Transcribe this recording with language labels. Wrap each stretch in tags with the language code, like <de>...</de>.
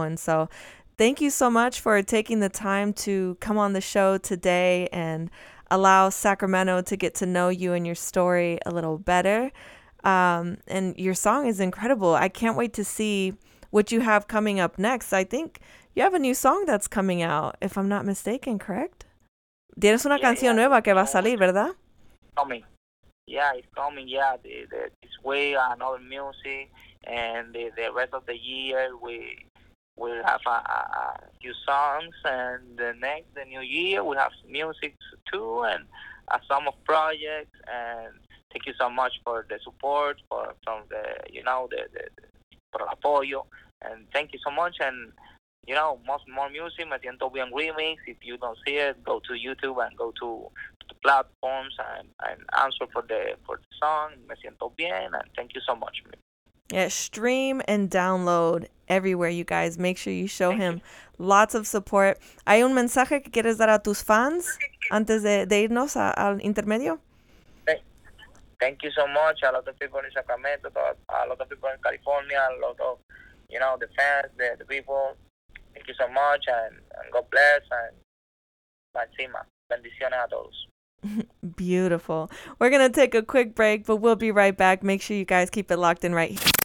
<en>And so thank you so much for taking the time to come on the show today and allow Sacramento to get to know you and your story a little better. And your song is incredible. I can't wait to see what you have coming up next. I think you have a new song that's coming out, if I'm not mistaken, correct?</en> <es>Tienes una canción nueva que va a salir, ¿verdad?</es> <en>Coming. Yeah, it's coming. Yeah, this way, another music, and the rest of the year, we will have a few songs, and the new year, we have music too, and a some of projects, and thank you so much for the support, for</en> <es>el apoyo,</es> <en>and thank you so much, and you know, more music, Me Siento Bien Remix. If you don't see it, go to YouTube and go to the platforms and answer for the song, Me Siento Bien, and thank you so much. Yeah, stream and download everywhere, you guys. Make sure you show him lots of support.</en> <es>¿Hay un mensaje que quieres dar a tus fans antes de irnos al intermedio?</es> <en>Thank you so much. A lot of people in Sacramento, a lot of people in California, a lot of, you know, the fans, the people. Thank you so much, and God bless, and</en> <es>encima, bendiciones a todos.</es> <en>Beautiful. We're going to take a quick break, but we'll be right back. Make sure you guys keep it locked in right here.</en>